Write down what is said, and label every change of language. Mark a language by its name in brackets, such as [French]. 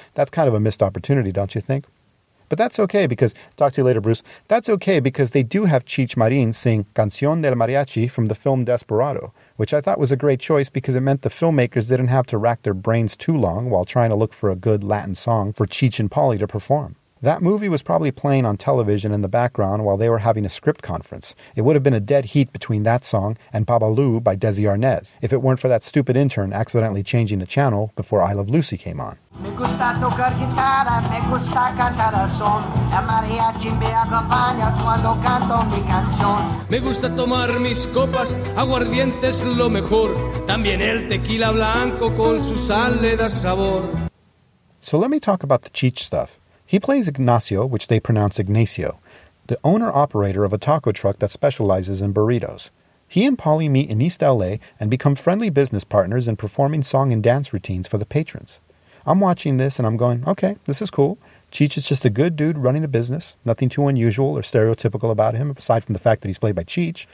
[English] That's kind of a missed opportunity, don't you think? But that's okay because, talk to you later, Bruce, that's okay because they do have Cheech Marin sing Canción del Mariachi from the film Desperado, which I thought was a great choice because it meant the filmmakers didn't have to rack their brains too long while trying to look for a good Latin song for Cheech and Polly to perform. That movie was probably playing on television in the background while they were having a script conference. It would have been a dead heat between that song and Babalu by Desi Arnaz if it weren't for that stupid intern accidentally changing the channel before I Love Lucy came on. [Spanish] Me gusta tocar guitarra, me gusta cantar a son. La mariachi me acompaña cuando canto mi canción. Me gusta tomar mis copas, aguardiente es lo mejor. También el tequila blanco con su sal le da sabor. [English] So let me talk about the Cheech stuff. He plays Ignacio, which they pronounce Ignacio, the owner-operator of a taco truck that specializes in burritos. He and Polly meet in East L.A. and become friendly business partners in performing song and dance routines for the patrons. I'm watching this and I'm going, okay, this is cool. Cheech is just a good dude running the business, nothing too unusual or stereotypical about him, aside from the fact that he's played by Cheech.